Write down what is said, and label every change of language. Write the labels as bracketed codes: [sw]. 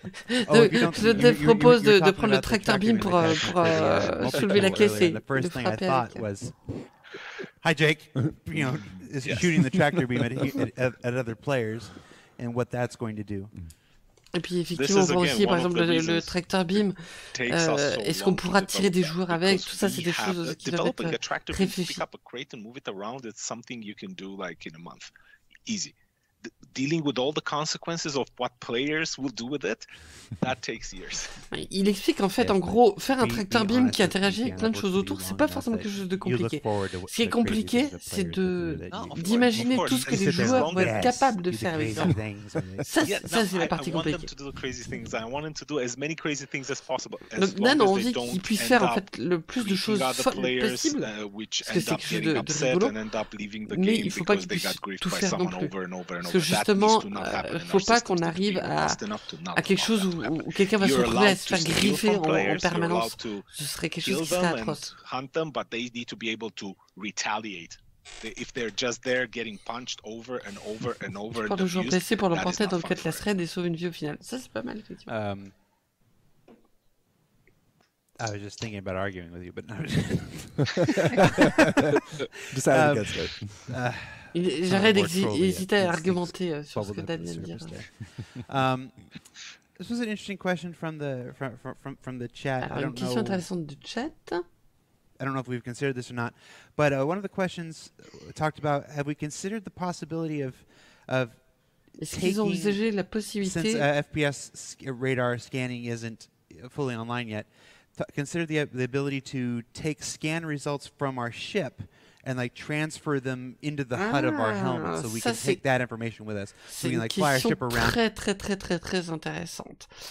[fr] Le dev propose de prendre le tracteur beam pour soulever la caisse et de frapper avec. [en] Hi Jake, you know, is shooting the tractor beam at other players, and what that's going to do. [fr] Et puis effectivement, on voit aussi par exemple le tracteur BIM. Est-ce qu'on pourra tirer des joueurs avec? Tout ça, c'est des choses qui doivent être réfléchies. [en] Pick up a crate and move it around. It's something you can do like in a month, easy. Dealing with all the consequences of what players will do with it, that takes years. [fr] Il explique en fait, en gros, faire un tracteur BIM qui interagit avec plein de choses autour, c'est pas forcément quelque chose de compliqué. Ce qui est compliqué, c'est d'imaginer tout ce que les joueurs vont être capables de faire avec ça. Ça, c'est la partie compliquée. Donc, Nan a envie qu'ils puissent faire en fait le plus de choses possible, parce que c'est quelque chose de rigolo, mais il ne faut pas qu'ils puissent tout faire non plus. Parce que justement, il ne faut pas qu'on arrive à quelque chose où quelqu'un va se retrouver à se faire griffer en permanence. Ce serait quelque chose qui serait atroce. [en] Them, but they need to be able to retaliate. If they're just there getting punched over and over and over. [fr] Je parle de joueurs blessés pour leur portée dans le cadre de la thread et sauver une vie au final. Ça, c'est pas mal, effectivement. [en] I was just thinking about arguing with you, but no. Just having a good start. [fr] J'arrête d'hésiter à argumenter sur ce que Dan vient de dire. [en] This was an interesting question from the chat. [fr] Alors, une question intéressante du chat. [en] I don't know if we've considered this or not, but one of the questions talked about, have we considered the possibility of [fr] est-ce qu'ils ont envisagé la possibilité, [en] since FPS radar scanning isn't fully online yet, consider the ability to take scan results from our ship and like transfer them into the HUD of our helmet so we can take that information with us. So we can like fly our ship around. [fr] Très très très très très intéressante.